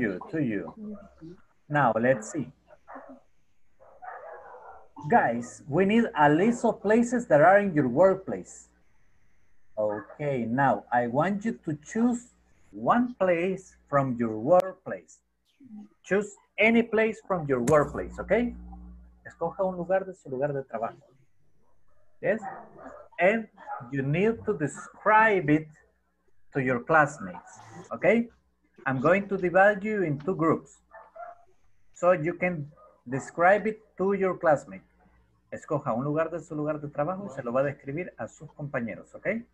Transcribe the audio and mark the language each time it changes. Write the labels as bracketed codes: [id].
[en] To you. Now, let's see. Guys, we need a list of places that are in your workplace. Okay, now, I want you to choose one place from your workplace. Choose any place from your workplace, okay? [es] Escoja un lugar de su lugar de trabajo. [en] Yes? And you need to describe it to your classmates, okay? I'm going to divide you in two groups. So you can describe it to your classmate. [es] Escoja un lugar de su lugar de trabajo y se lo va a describir a sus compañeros, ¿ok?